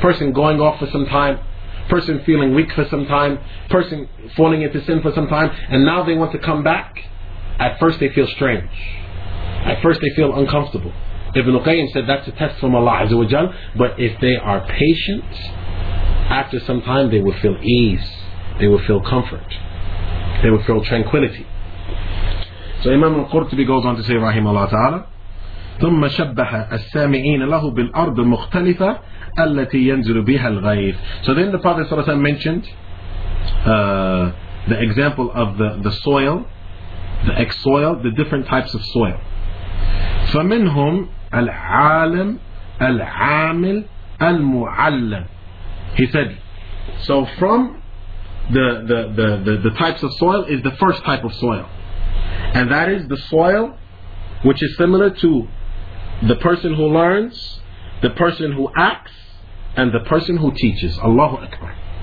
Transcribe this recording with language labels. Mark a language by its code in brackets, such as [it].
[en] Person going off for some time, person feeling weak for some time, person falling into sin for some time, and now they want to come back. At first they feel strange. At first they feel uncomfortable. Ibn Qayyim said that's a test from Allah Azza wa Jal. But if they are patient, after some time they will feel ease. They will feel comfort. They will feel tranquility. So Imam al-Qurtubi goes on to say, [ar] رحمه الله تعالى ثم شبه السامعين له بالأرض المختلفة التي ينزل بها الغيث. [en] So then the Prophet ﷺ mentioned the example of the soil, the exsoil, the different types of soil. [ar] فمنهم العالم العامل المعلم. [en] He said, so from the types of soil is the first type of soil, and that is the soil which is similar to the person who learns, the person who acts, and the person who teaches. Allahu Akbar.